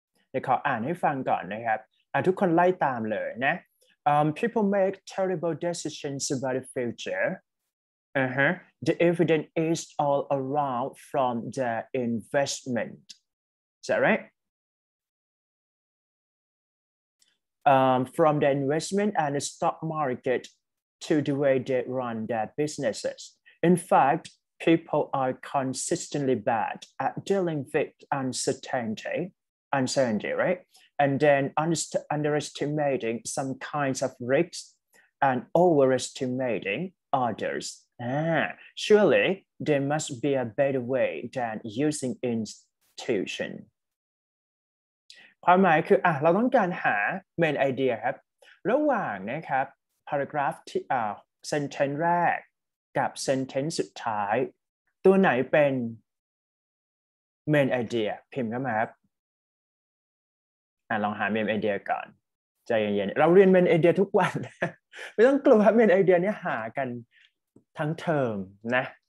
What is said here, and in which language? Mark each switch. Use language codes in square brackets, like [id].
[th] เดี๋ยวขออ่านให้ฟังก่อนนะครับทุกคนไล่ตามเลยนะ [en] people make terrible decisions about the future the evidence is all around from the investment is that right from the investment and the stock marketto the way they run their businesses. In fact, people are consistently bad at dealing with uncertainty, right? And then underestimating some kinds of risks and overestimating others. Surely there must be a better way than using intuition. [th] ความหมายคือเราต้องการหา main idea ครับระหว่างนะครับparagraph ที่sentence แรกกับ sentence สุดท้ายตัวไหนเป็น main idea พิมพ์เข้ามาครับลองหา main idea ก่อนใจเย็นๆเราเรียน main idea ทุกวันไม่ต้องกลัวครับ main idea เนี่ยหากันทั้งเทอมนะ